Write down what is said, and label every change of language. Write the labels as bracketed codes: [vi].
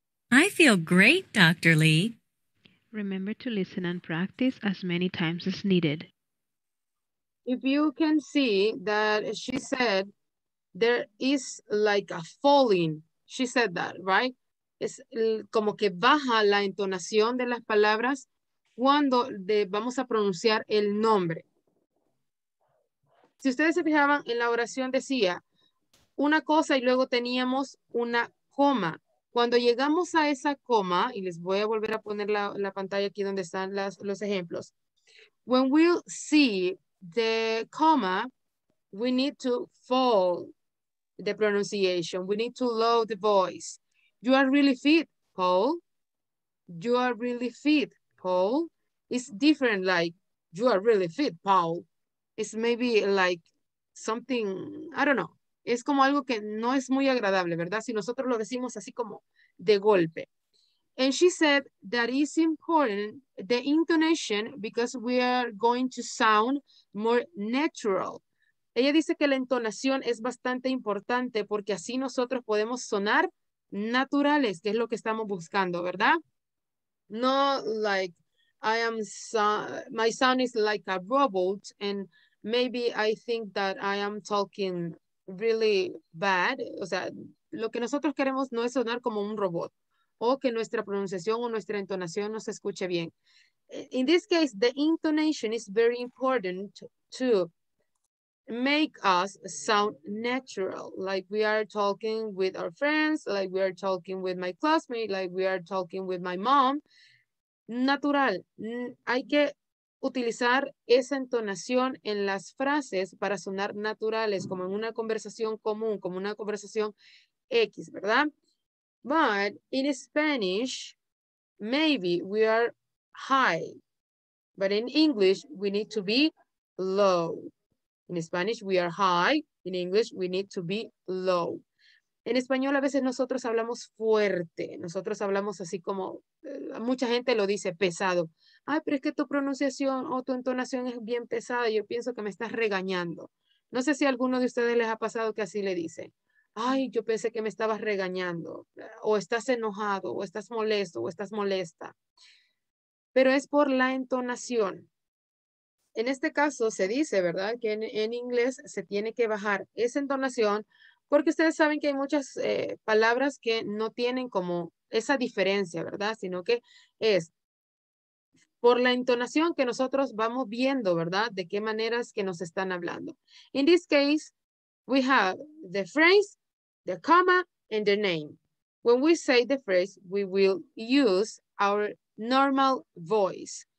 [en] I feel great, Dr. Lee. Remember to listen and practice as many times as needed. If you can see that she said there is like a falling, she said that, right? [es] Es como que baja la entonación de las palabras cuando vamos a pronunciar el nombre. Si ustedes se fijaban, en la oración decía una cosa y luego teníamos una coma. Cuando llegamos a esa coma, y les voy a volver a poner la pantalla aquí donde están los ejemplos. [en] When we see the comma, we need to fall the pronunciation. We need to lower the voice. You are really fit, Paul. You are really fit, Paul. It's different, like, you are really fit, Paul. It's maybe like something, I don't know. [es] Es como algo que no es muy agradable, ¿verdad? Si nosotros lo decimos así como de golpe. [en] And she said that is important, the intonation, because we are going to sound more natural. [es] Ella dice que la entonación es bastante importante porque así nosotros podemos sonar naturales, que es lo que estamos buscando, ¿verdad? [en] No like I am, my sound is like a robot and maybe I think that I am talking really bad. [es] O sea, lo que nosotros queremos no es sonar como un robot o que nuestra pronunciación o nuestra entonación no se escuche bien. [en] In this case, the intonation is very important to make us sound natural, like we are talking with our friends, like we are talking with my classmate, like we are talking with my mom. Natural. [es] Hay que utilizar esa entonación en las frases para sonar naturales, como en una conversación común, como una conversación X, ¿verdad? [en] But in Spanish, maybe we are high, but in English, we need to be low. In Spanish, we are high. In English, we need to be low. [es] En español, a veces nosotros hablamos fuerte. Nosotros hablamos así como, mucha gente lo dice, pesado. Ay, pero es que tu pronunciación o tu entonación es bien pesada. Yo pienso que me estás regañando. No sé si a alguno de ustedes les ha pasado que así le dicen. Ay, yo pensé que me estabas regañando. O estás enojado, o estás molesto, o estás molesta. Pero es por la entonación. En este caso se dice, ¿verdad? Que en inglés se tiene que bajar esa entonación. Porque ustedes saben que hay muchas palabras que no tienen como esa diferencia, ¿verdad? Sino que es por la entonación que nosotros vamos viendo, ¿verdad? De qué maneras que nos están hablando. [en] In this case, we have the phrase, the comma, and the name. When we say the phrase, we will use our normal voice.